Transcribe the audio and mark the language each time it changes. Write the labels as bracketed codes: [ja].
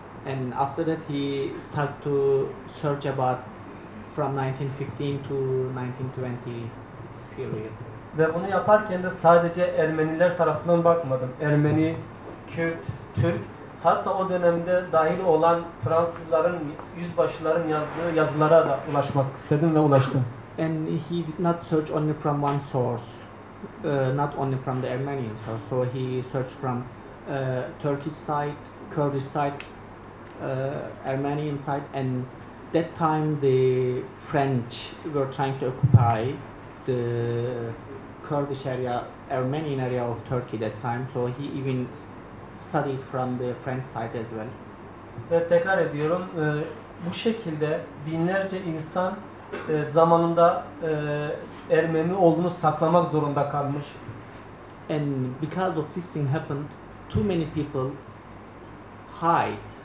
[en] And after that he start to search about from 1915 to 1920 period. [tr] Ve bunu yaparken de sadece Ermeniler tarafından bakmadım. Ermeni, Kürt, Türk Hatta o dönemde dahil olan Fransızların yüzbaşıların yazdığı yazılara da ulaşmak istedim ve ulaştım. [en] And he did not search only from one source, not only from the Armenian source. So he searched from Turkish side, Kurdish side, Armenian side, and that time the French were trying to occupy the Kurdish area, Armenian area of Turkey that time. So he even studied from the French side as well. [tr] Ve tekrar ediyorum, bu şekilde binlerce insan zamanında Ermeni olduğunu saklamak zorunda kalmış. [en] And because of this thing happened, too many people hide.